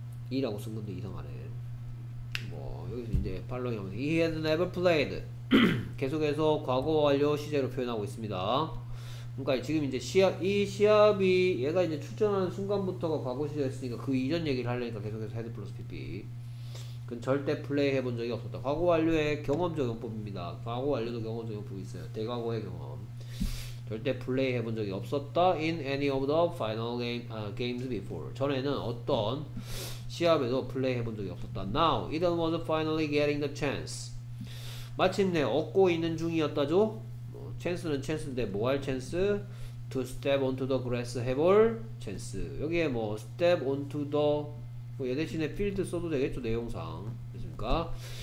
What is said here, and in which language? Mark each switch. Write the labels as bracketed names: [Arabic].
[Korean] 이라고 쓴 건데 이상하네 뭐 여기서 이제 발롱이 하면 [English] he had never played [Korean] 계속해서 과거 완료 시제로 표현하고 있습니다 그러니까 지금 이제 시합 이 시합이 얘가 이제 출전하는 순간부터가 과거 시제였으니까 그 이전 얘기를 하려니까 계속해서 head plus PP 그건 절대 플레이 해본 적이 없었다. 과거 완료의 경험적 용법입니다. 과거 완료도 경험적 용법이 있어요. 대과거의 경험. 절대 플레이 해본 적이 없었다. [English] In any of the final game, games before. [Korean] 전에는 어떤 시합에도 플레이 해본 적이 없었다. [English] Now, Eden was finally getting the chance. [Korean] 마침내 얻고 있는 중이었다죠? 뭐, 찬스는 찬스인데, 뭐할 찬스? [English] To step onto the grass [Korean] 해볼 찬스. 여기에 뭐, step onto the 뭐얘 대신에 필드 써도 되겠죠 내용상 그렇습니까?